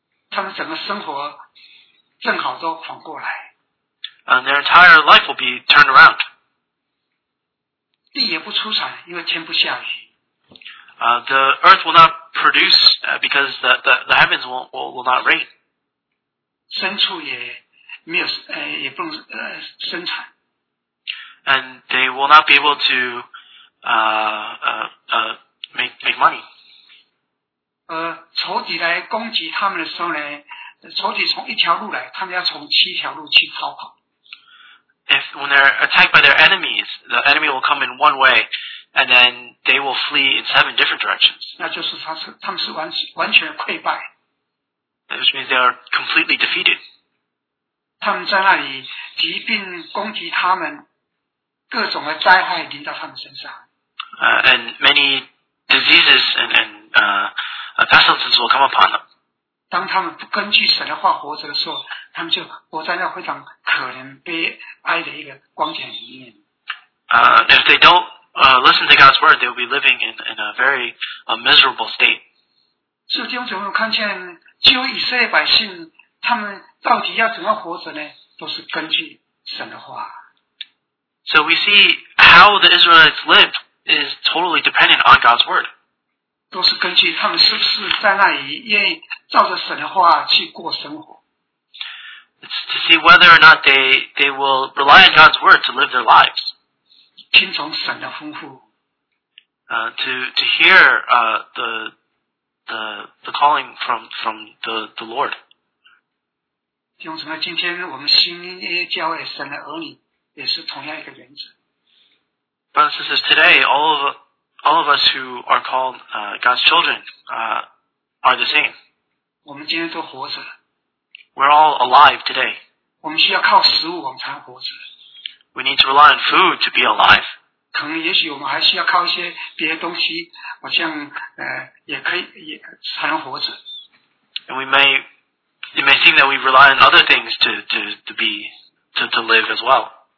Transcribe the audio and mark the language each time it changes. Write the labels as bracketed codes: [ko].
[zh] 他们整个生活正好都反过来。 [en] Their entire life will be turned around. [zh] 地也不出产，因为天不下雨。 [en] The earth will not produce because the heavens will not rain. [zh] 牲畜也没有也不能生产。 [en] And they will not be able to make money. [zh] 仇敌来攻击他们的时候呢，仇敌从一条路来，他们要从七条路去逃跑。 [en] If when they're attacked by their enemies, the enemy will come in one way, and then they will flee in seven different directions. [zh] 那就是他们是完全溃败。 [en] Which means they are completely defeated. [zh] 他们在那里疾病攻击他们。各种的灾害临到他们身上。 [en] And many diseases and pestilences will come upon them. [zh] 当他们不根据神的话活着的时候，他们就活在那非常可怜悲哀的一个光景里面。 [en] If they don't listen to God's word, they will be living in a very miserable state. [zh] 所以弟兄姊妹看见，只有以色列百姓，他们到底要怎么活着呢？都是根据神的话。 [en] So we see how the Israelites lived is totally dependent on God's word. [zh] 都是根据他们是不是在那里愿意照着神的话去过生活。 [en] It's to see whether or not they will rely on God's word to live their lives. [zh] 听从神的吩咐。 [en] To hear the calling from the Lord. [zh] 弟兄姊妹，今天我们新约教会神的儿女。也是同样一个原则。 [en] Brothers and sisters, today all of us who are called God's children are the same. [zh] 我们今天都活着。 [en] We're all alive today. [zh] 我们需要靠食物我们才活着。 [en] We need to rely on food to be alive. [zh] 可能也许我们还需要靠一些别的东西，好像也可以也才能活着。 [en] And it may seem that we rely on other things to live as well.